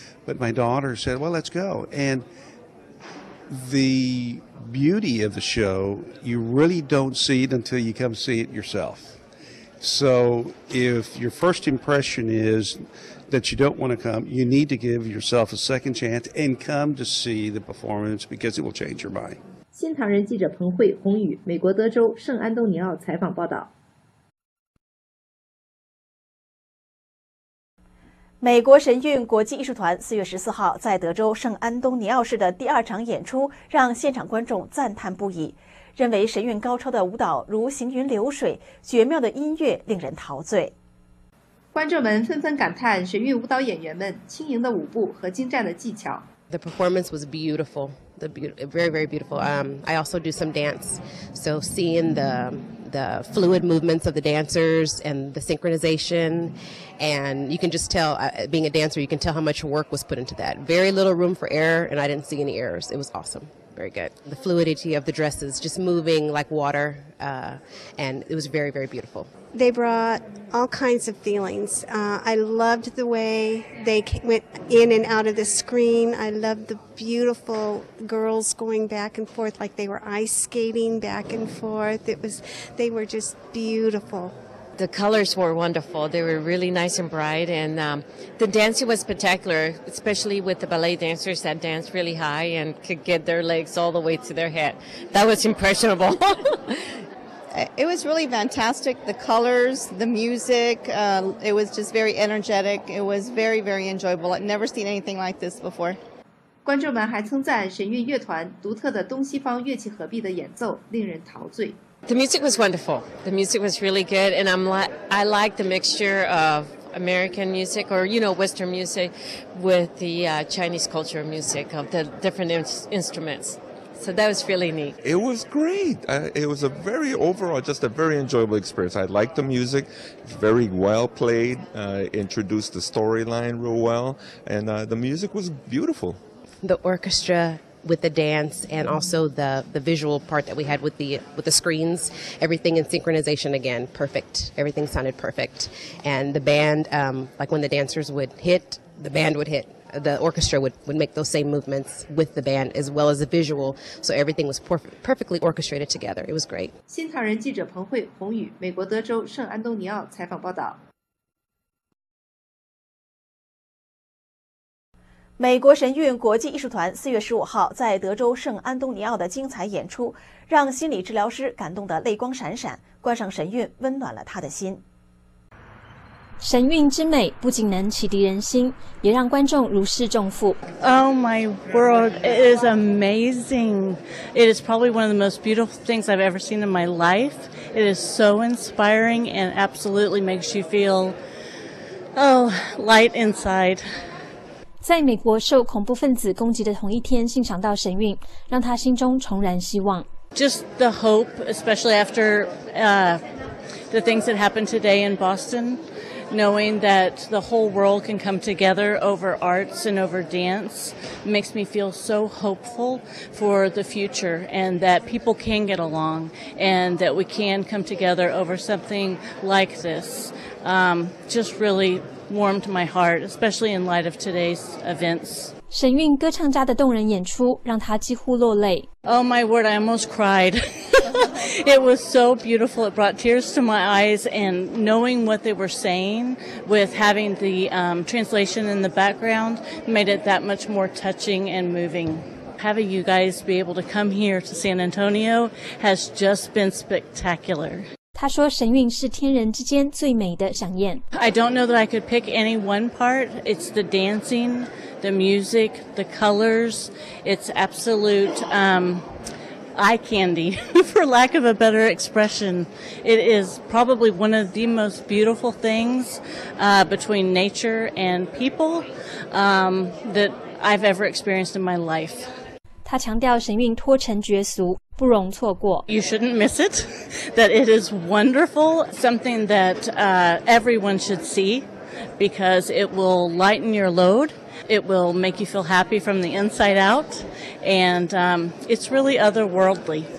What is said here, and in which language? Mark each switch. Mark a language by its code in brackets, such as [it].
[en] But my daughter said, well, let's go. And the beauty of the show, you really don't see it until you come see it yourself. So if your first impression is that you don't want to come, you need to give yourself a second chance and come to see the performance because it will change your mind. [zh] 新唐人记者彭慧、洪宇，美国德州圣安东尼奥采访报道。美国神韵国际艺术团4月14号在德州圣安东尼奥市的第二场演出让现场观众赞叹不已，认为神韵高超的舞蹈如行云流水，绝妙的音乐令人陶醉。观众们纷纷感叹神韵舞蹈演员们轻盈的舞步和精湛的技巧。 [en] The performance was beautiful, very, very beautiful. I also do some dance, so seeing the, the fluid movements of the dancers and the synchronization. And you can just tell, being a dancer, you can tell how much work was put into that. Very little room for error, and I didn't see any errors. It was awesome. Very good. The fluidity of the dresses, just moving like water, and it was very, very beautiful. They brought all kinds of feelings. I loved the way they went in and out of the screen. I loved the beautiful girls going back and forth like they were ice skating back and forth. They were just beautiful. The colors were wonderful. They were really nice and bright, and the dancing was spectacular, especially with the ballet dancers that danced really high and could get their legs all the way to their head. That was impressionable. It was really fantastic. The colors, the music, it was just very energetic. It was very, very enjoyable. I've never seen anything like this before. [zh] 观众们还称赞神韵乐团独特的东西方乐器合璧的演奏，令人陶醉。 [en] The music was wonderful. The music was really good, and I like the mixture of American music, or you know, Western music, with the Chinese culture music of the different instruments. So that was really neat. It was great. It was a very overall, just a very enjoyable experience. I liked the music. It's very well played. Introduced the storyline real well, and the music was beautiful. The orchestra. With the dance and also the visual part that we had with the screens, everything in synchronization again, perfect. Everything sounded perfect. And the band, like when the dancers would hit, the band would hit. The orchestra would make those same movements with the band as well as the visual. So everything was perfectly orchestrated together. It was great. [zh] 新唐人记者彭慧、洪宇，美国德州圣安东尼奥采访报道。美国神韵国际艺术团4月15号在德州圣安东尼奥的精彩演出，让心理治疗师感动得泪光闪闪，观赏神韵温暖了他的心。神韵之美不仅能启迪人心，也让观众如释重负。 [en] Oh my world, it is amazing. It is probably one of the most beautiful things I've ever seen in my life. It is so inspiring and absolutely makes you feel, oh, light inside. [zh] 在美国受恐怖分子攻击的同一天欣赏到神韵，让他心中重燃希望。 [en] Just the hope, especially after the things that happened today in Boston, knowing that the whole world can come together over arts and over dance makes me feel so hopeful for the future, and that people can get along, and that we can come together over something like this. Just really. Warmed my heart, especially in light of today's events. [zh] 神韵歌唱家的动人演出让他几乎落泪。 [en] Oh my word, I almost cried. It was so beautiful. It brought tears to my eyes, and knowing what they were saying with having the translation in the background made it that much more touching and moving. Having you guys be able to come here to San Antonio has just been spectacular. [zh] 他说神韵是天人之间最美的飨宴。 [en] I don't know that I could pick any one part. It's the dancing, the music, the colors. It's absolute eye candy, for lack of a better expression. It is probably one of the most beautiful things between nature and people that I've ever experienced in my life. [zh] 他强调神韵脱尘绝俗，不容错过。 [en] You shouldn't miss it, that it is wonderful, something that everyone should see, because it will lighten your load, it will make you feel happy from the inside out, and it's really otherworldly.